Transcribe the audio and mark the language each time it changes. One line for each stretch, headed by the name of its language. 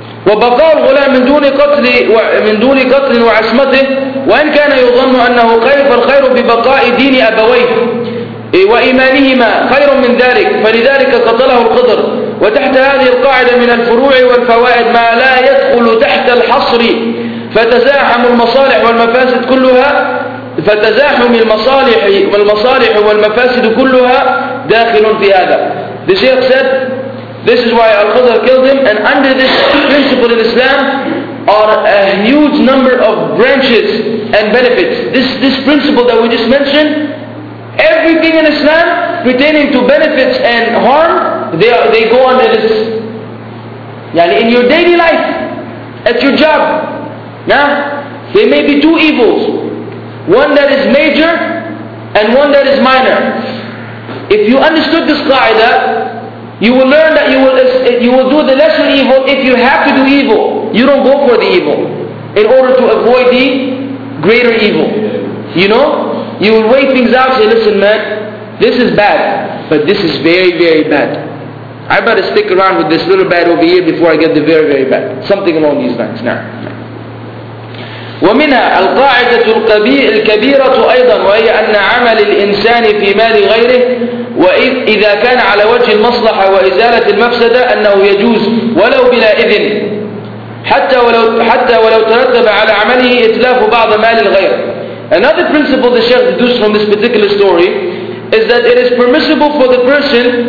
Arabic: وبقاء الغلام من دون قتل ومن دون قتل وعصمته وان كان يظن انه خير فالخير ببقاء دين ابويه وايمانهما خير من ذلك فلذلك قتله الخضر وتحت هذه القاعده من الفروع والفوائد ما لا يدخل تحت الحصر فتزاحم المصالح والمفاسد كلها فتزاحم المصالح والمفاسد كلها داخل في هذا.
English: The Shaykh said, this is why Al-Khidr killed him. And under this principle in Islam are a huge number of branches and benefits. This principle that we just mentioned, everything in Islam pertaining to benefits and harm, they go under this. Yani in your daily life, at your job, nah, there may be two evils. One that is major and one that is minor. If you understood this qaida, you will learn that you will do the lesser evil if you have to do evil. You don't go for the evil in order to avoid the greater evil. You know? You will weigh things out and say, listen man, this is bad, but this is very, very bad. I better stick around with this little bad over here before I get the very, very bad. Something along these lines now.
Arabic: ومنها القاعدة الكبيرة أيضا وهي أن عمل الإنسان في مال غيره وإذا كان على وجه المصلحة وإزالة المفسدة أنه يجوز ولو بلا إذن حتى ولو ترتب على عمله إتلاف بعض مال الغير.
English: Another principle the Shaykh deduced from this particular story is that it is permissible for the person